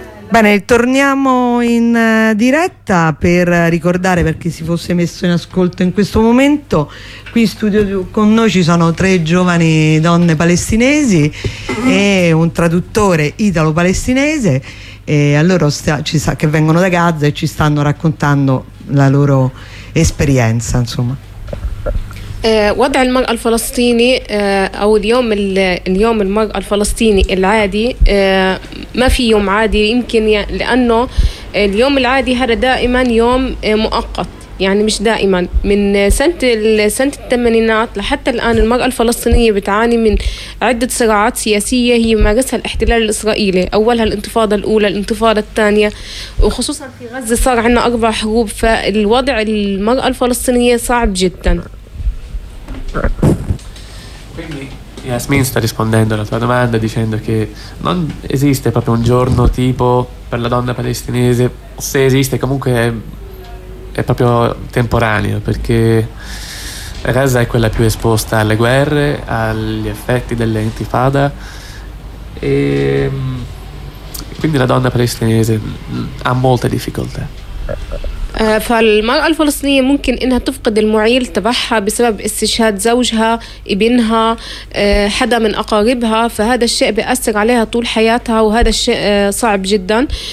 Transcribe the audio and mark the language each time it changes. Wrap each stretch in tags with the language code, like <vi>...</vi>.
<it>Bene, torniamo in diretta per ricordare, per chi si fosse messo in ascolto in questo momento, qui in studio con noi ci sono tre giovani donne palestinesi e un traduttore italo-palestinese, e a loro che vengono da Gaza e ci stanno raccontando la loro esperienza, insomma.</it> <ar>وضع المرأة الفلسطيني أو اليوم المرأة الفلسطيني العادي ما في يوم عادي، يمكن لأنه اليوم العادي هذا دائما يوم مؤقت، يعني مش دائما. من سنة الثمانينات لحتى الآن المرأة الفلسطينية بتعاني من عدة صراعات سياسية هي مارسها الاحتلال الإسرائيلي، أولها الانتفاضة الأولى، الانتفاضة الثانية، وخصوصا في غزة صار عندنا 4 حروب، فالوضع المرأة الفلسطينية صعب جدا.</ar> <it>Quindi Yasmin sta rispondendo alla tua domanda dicendo che non esiste proprio un giorno tipo per la donna palestinese, se esiste comunque è proprio temporaneo, perché Gaza è quella più esposta alle guerre, agli effetti dell'intifada, e quindi la donna palestinese ha molte difficoltà.</it> <ar>فالمرأة الفلسطينية ممكن إنها تفقد المعيل تبعها بسبب استشهاد زوجها، ابنها، حدا من أقاربها، فهذا الشيء بيأثر عليها طول حياتها، وهذا الشيء صعب جدا.</ar>